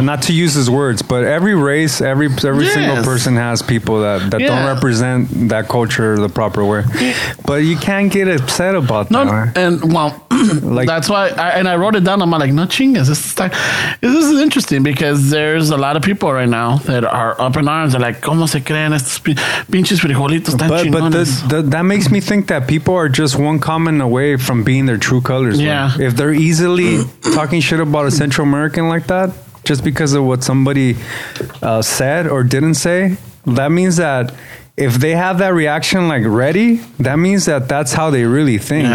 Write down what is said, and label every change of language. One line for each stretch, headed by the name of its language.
English: Not to use his words, but every race, every yes, single person has people that yeah, don't represent that culture the proper way. But you can't get upset about that. And well, like, that's why I wrote it down. I'm like, no chingas. This is interesting because there's a lot of people right now that are up in arms.
Spanish: They're like, ¿cómo se creen estos pinches frijolitos tan chingones?
English: But that makes me think that people are just one comment away from being their true colors. Yeah. Like, if they're easily talking shit about a Central American like that, just because of what somebody said or didn't say, that means that if they have that reaction like ready, that means that that's how they really think.